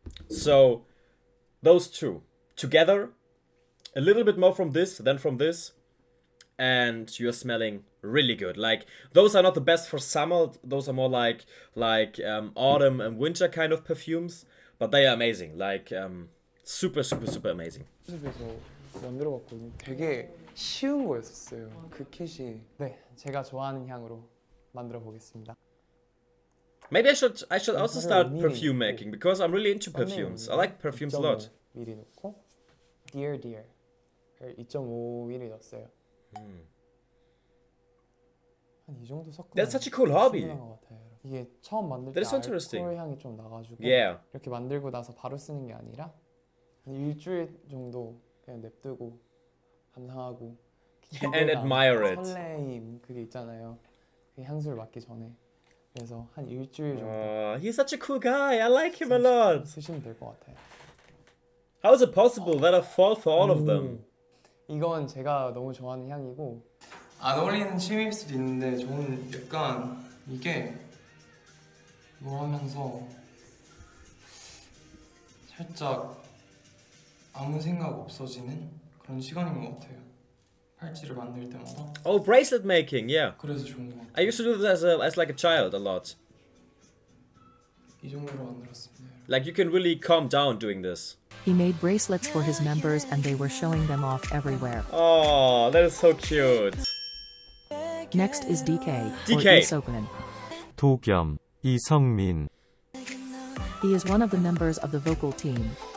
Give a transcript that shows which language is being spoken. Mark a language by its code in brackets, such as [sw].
[en] So those two together, a little bit more from this than from this, and you're smelling really good. Like, those are not the best for summer. Those are more like autumn and winter kind of perfumes. But they are amazing. Like, super, super, super amazing. [ko] 집에서 만들어 봤거든요. 되게 쉬운 거였었어요. 그 캣이. 네, 제가 좋아하는 향으로 만들어 보겠습니다. [en] Maybe I should also start perfume making because I'm really into perfumes. I like perfumes a lot. [ko] 미리 넣고 Dear Dear 2.5ml 넣었어요. 한 이 정도 섞으면 [en] That's such a cool hobby. [ko] 이게 처음 만들 때 [en] That is interesting. [ko] 알코올 향이 좀 나가지고 [en] yeah. [ko] 이렇게 만들고 나서 바로 쓰는 게 아니라 일주일 정도 그냥 냅두고 감상하고 [en] And admire it. [ko] 설레임 그게 있잖아요. 그 향수를 맡기 전에 그래서 한 일주일 정도 [en] He's such a cool guy. I like him a lot. [ko] 쓰시면 될 것 같아요. [en] How is it possible that I fall for all of them? [ko] 이건 제가 너무 좋아하는 향이고 안 어울리는 취미일 수도 있는데 저는 약간 이게 뭐라면서 살짝 아무 생각 없어지는 그런 시간인 것 같아요 팔찌를 만들 때마다 [en] Oh, bracelet making, yeah [ko] 그래서 좋은 것 같아요 [en] I used to do this as like a child a lot [ko] 이 정도로 만들었습니다 [en] Like you can really calm down doing this. He made bracelets for his members and they were showing them off everywhere. Oh, that is so cute. Next is DK. DK. Dogyeom, Lee-seung-min. He is one of the members of the vocal team.